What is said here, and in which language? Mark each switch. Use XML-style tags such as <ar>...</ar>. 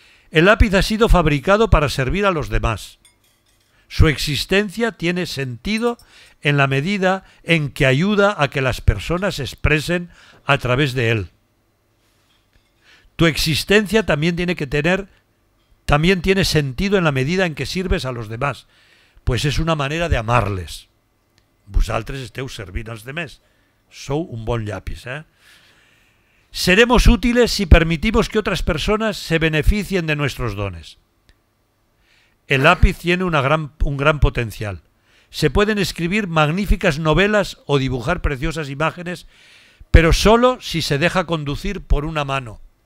<es>El lápiz ha sido fabricado para servir a los demás. Su existencia tiene sentido en la medida en que ayuda a que las personas se expresen a través de él. Tu existencia también tiene que tener, también tiene sentido en la medida en que sirves a los demás, pues es una manera de amarles.</es> <ca>Vosaltres esteu servint els demés. Sou un bon llapis, eh?</ca> <es>Seremos útiles si permitimos que otras personas se beneficien de nuestros dones. El lápiz tiene un gran potencial. Se pueden escribir magníficas novelas o dibujar preciosas imágenes, pero solo si se deja conducir por una mano.</es>